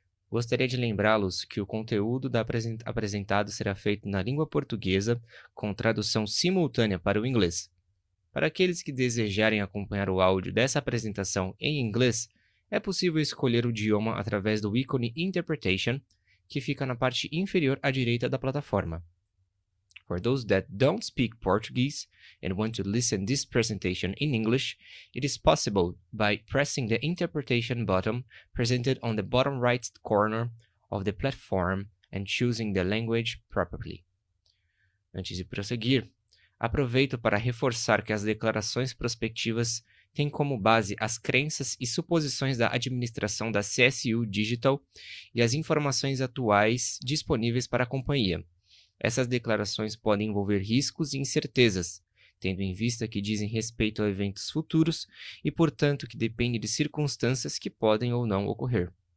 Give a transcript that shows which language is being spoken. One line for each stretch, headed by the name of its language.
Portuguese: Gostaria de lembrá-los que o conteúdo apresentado será feito na língua portuguesa, com tradução simultânea para o inglês. Para aqueles que desejarem acompanhar o áudio dessa apresentação em inglês, é possível escolher o idioma através do ícone Interpretation, que fica na parte inferior à direita da plataforma.
English: For those that don't speak Portuguese and want to listen this presentation in English, it is possible by pressing the interpretation button presented on the bottom right corner of the platform and choosing the language properly.
Portuguese: Antes de prosseguir, aproveito para reforçar que as declarações prospectivas têm como base as crenças e suposições da administração da CSU Digital e as informações atuais disponíveis para a companhia. Essas declarações podem envolver riscos e incertezas, tendo em vista que dizem respeito a eventos futuros e, portanto, que dependem de circunstâncias que podem ou não ocorrer.